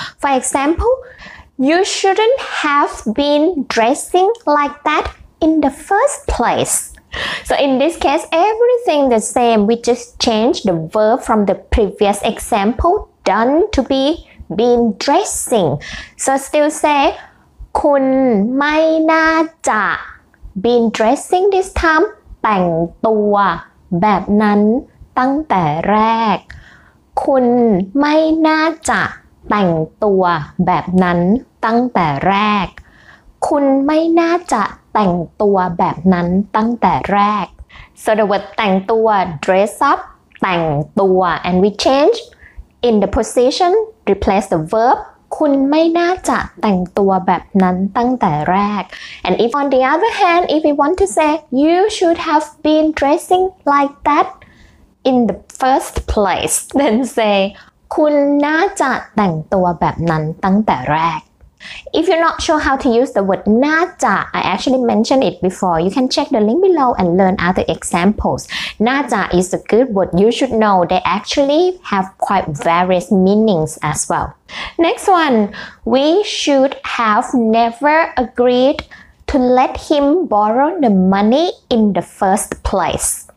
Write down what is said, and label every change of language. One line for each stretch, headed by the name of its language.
English: For example,You shouldn't have been dressing like that in the first place. So in this case, everything the same. We just change the verb from the previous example, done to be been dressing. So still say,
Thai: คุณไม่น่าจะ
English: been dressing this time,
Thai: แต่งตัวแบบนั้นตั้งแต่แรกคุณไม่น่าจะแต่งตัวแบบนั้นตั้งแต่แรก คุณไม่น่าจะแต่งตัวแบบนั้นตั้งแต่แรก
English: so the word แต่งตัว dress up แต่งตัว and we change in the position replace the verb คุณไม่น่าจะแต่งตัวแบบนั้นตั้งแต่แรก and if on the other hand if we want to say you should have been dressing like that in the first place then say
Thai: คุณน่าจะแต่งตัวแบบนั้นตั้งแต่แรก
English: If you're not sure how to use the word น่าจะ I actually mentioned it before. You can check the link below and learn other examples. น่าจะ is a good word. You should know they actually have quite various meanings as well. Next one. We should have never agreed to let him borrow the money in the first place.